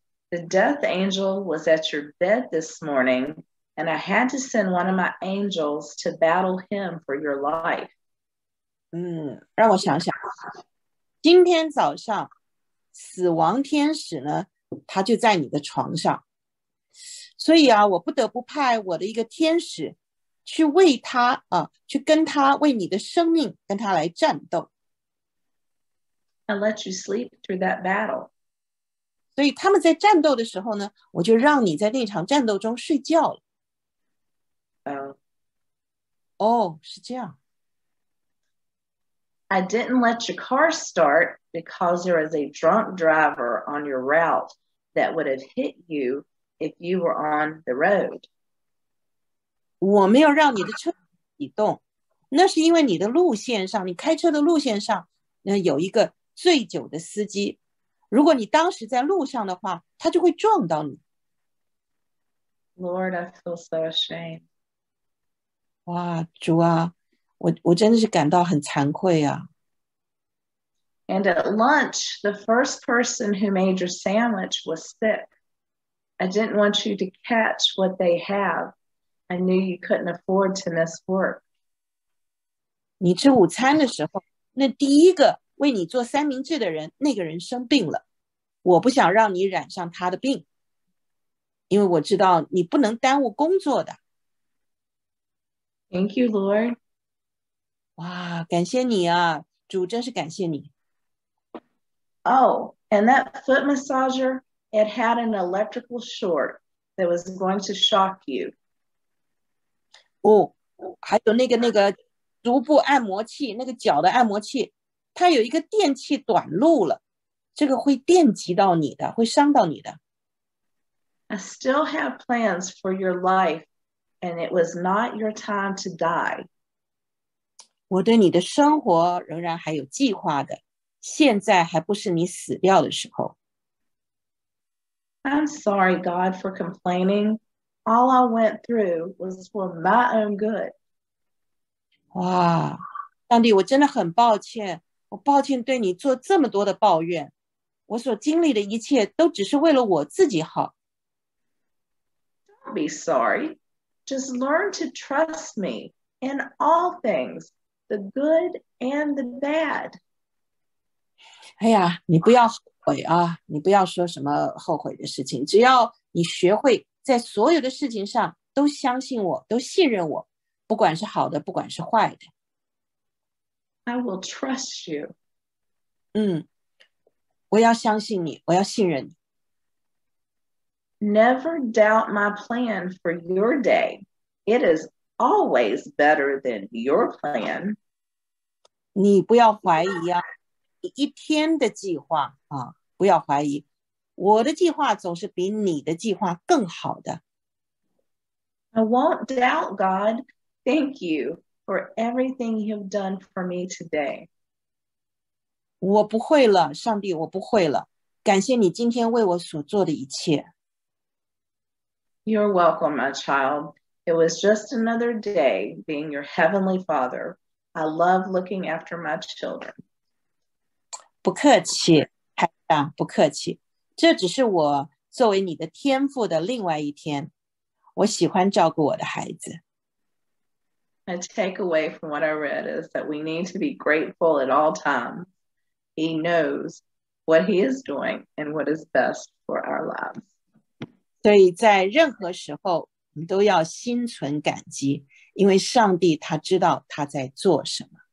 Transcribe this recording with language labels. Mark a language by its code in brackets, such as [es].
[en] The death angel was at your bed this morning, and I had to send one of my angels to battle him for your life. [zh] 让我想想。今天早上死亡天使呢，他就在你的床上，所以啊，我不得不派我的一个天使去为他啊，去跟他为你的生命跟他来战斗。 [en] I let you sleep through that battle. [zh] 所以他们在战斗的时候呢，我就让你在那场战斗中睡觉了。哦，是这样。 [en] I didn't let your car start because there was a drunk driver on your route that would have hit you if you were on the road. [zh] 我没有让你的车启动，那是因为你的路线上，你开车的路线上，有一个醉酒的司机。如果你当时在路上的话，他就会撞到你。 [en] Lord, I feel so ashamed. [zh] 哇，主啊。我真的是感到很惭愧啊。 [en] And at lunch, the first person who made your sandwich was sick. I didn't want you to catch what they have. I knew you couldn't afford to miss work. [zh] 你吃午餐的时候，那第一个为你做三明治的人，那个人生病了。我不想让你染上他的病，因为我知道你不能耽误工作的。 [en] Thank you, Lord. [zh] 哇，感谢你啊，主真是感谢你。 [en] Oh, and that foot massager, it had an electrical short, that was going to shock you. [zh] 哦，还有那个足部按摩器，那个脚的按摩器，它有一个电器短路了，这个会电击到你的，会伤到你的。 [en] I still have plans for your life, and it was not your time to die. [zh] 我对你的生活仍然还有计划的，现在还不是你死掉的时候。 [en] I'm sorry, God, for complaining. All I went through was for my own good. [zh] 哇，上帝，我真的很抱歉，我抱歉对你做这么多的抱怨，我所经历的一切都只是为了我自己好。 [en] Be sorry. Just learn to trust me in all things, the good and the bad. [zh] 哎呀，你不要后悔啊！你不要说什么后悔的事情。只要你学会在所有的事情上都相信我，都信任我，不管是好的，不管是坏的。 [en] I will trust you. [zh] 我要相信你，我要信任你。 [en] Never doubt my plan for your day. It is always better than your plan. [zh] 你不要怀疑啊，一天的计划啊，不要怀疑，我的计划总是比你的计划更好的。 [en] I won't doubt God. Thank you for everything you've done for me today. [zh] 我不会了，上帝，我不会了，感谢你今天为我所做的一切。 [en] You're welcome, my child. It was just another day being your heavenly father. I love looking after my children. [zh] 不客气，孩子，不客气。这只是我作为你的天父的另外一天。我喜欢照顾我的孩子。 [en] A takeaway from what I read is that we need to be grateful at all times. He knows what he is doing and what is best for our lives. [zh] 所以在任何时候我们都要心存感激，因为上帝他知道他在做什么。